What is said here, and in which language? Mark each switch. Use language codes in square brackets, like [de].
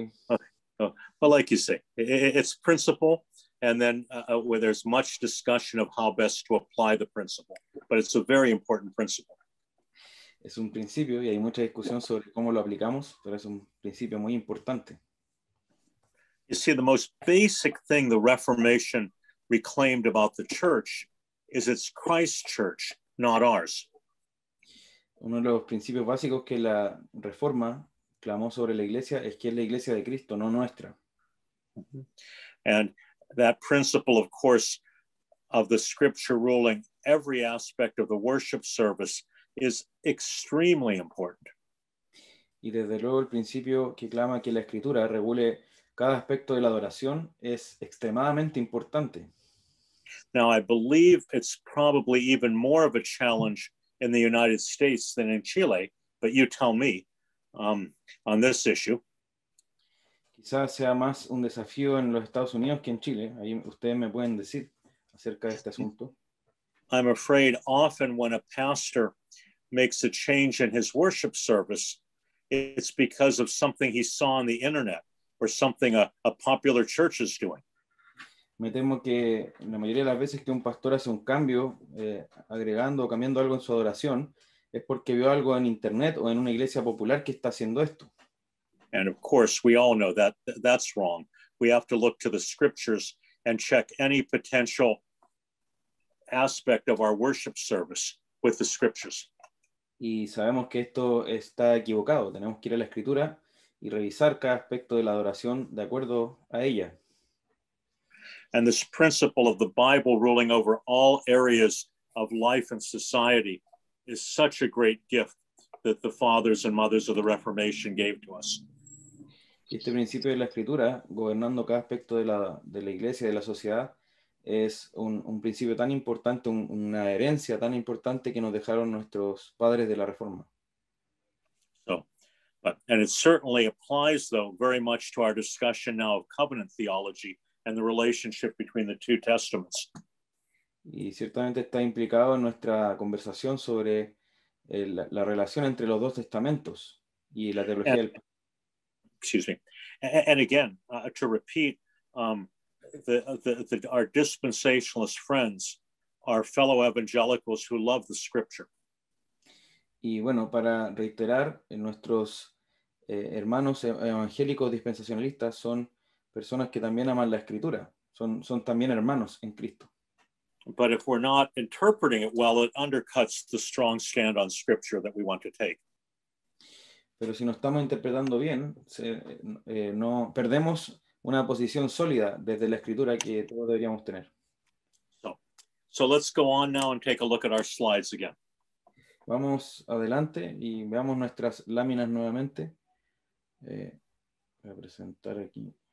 [en] Okay. But like you say, it's principle, and then where there's much discussion of how best to apply the principle, but it's a very important principle. [es] Es un principio y hay mucha discusión sobre cómo lo aplicamos, pero es un principio muy importante. [en] You see, the most basic thing the Reformation reclaimed about the church is it's Christ's church, not ours. [es] Uno de los principios básicos que la Reforma clamó sobre la iglesia es que es la iglesia de Cristo, no nuestra. [en] And that principle, of course, of the scripture ruling every aspect of the worship service is extremely important. [es] Y desde luego el principio que clama que la escritura regule cada aspecto de la adoración es extremadamente importante. [en] Now, I believe it's probably even more of a challenge in the United States than in Chile, but you tell me. On this issue. [es] Quizás sea más un desafío en los Estados Unidos que en Chile. Ahí ustedes me pueden decir acerca de este asunto. [en] I'm afraid often when a pastor makes a change in his worship service, it's because of something he saw on the internet or something a popular church is doing. [es] Me temo que la mayoría de las veces que un pastor hace un cambio, agregando o cambiando algo en su adoración, es porque vio algo en internet o en una iglesia popular que está haciendo esto. [en] And of course, we all know that that's wrong. We have to look to the scriptures and check any potential aspect of our worship service with the scriptures. [es] Y sabemos que esto está equivocado. Tenemos que ir a la escritura y revisar cada aspecto de la adoración de acuerdo a ella. [en] And this principle of the Bible ruling over all areas of life and society is such a great gift that the fathers and mothers of the Reformation gave to us. [es] Este principio de la escritura gobernando cada aspecto de la iglesia y de la sociedad es un principio tan importante, una herencia tan importante que nos dejaron nuestros padres de la Reforma. [en] So, but and it certainly applies though very much to our discussion now of covenant theology and the relationship between the two testaments. [es] Y ciertamente está implicado en nuestra conversación sobre la relación entre los dos testamentos y la teología del [en] Excuse me. And again, to repeat, our dispensationalist friends, our fellow evangelicals who love the scripture. [es] Y bueno, para reiterar, nuestros hermanos evangélicos dispensacionalistas son personas que también aman la escritura, son también hermanos en Cristo. [en] But if we're not interpreting it well, it undercuts the strong stand on scripture that we want to take. [es] Pero si no estamos interpretando bien, no perdemos una posición sólida desde la escritura que todos deberíamos tener. [en] So let's go on now and take a look at our slides again. [es] Vamos adelante y veamos nuestras láminas nuevamente. Voy a presentar aquí.